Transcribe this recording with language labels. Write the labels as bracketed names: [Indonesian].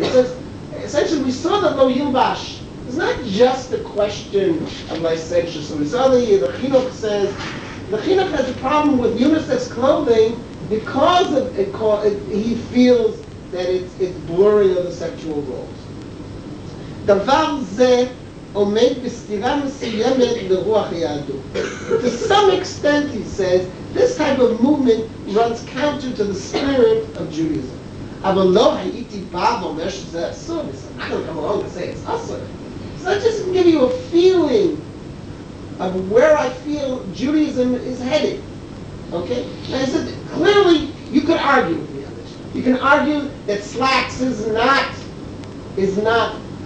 [English] He says, essentially, we saw that lo yilbash. It's not just a question of licentiousness. We saw the chinuch says, the chinuch has a problem with unisex clothing because of it, he feels that it's blurry of the sexual roles. [Hebrew] דבר זה עומד בסתירה מסוימת לרוח היהדות. [English] To some extent, he says, this type of movement runs counter to the spirit of Judaism. [Hebrew] אבל לא הייתי בא ואומר שזה אסור. [English] I don't come along and say it's אסור. So I just give you a feeling of where I feel Judaism is headed. Okay? And I said, clearly, you could argue. You can argue that slacks is not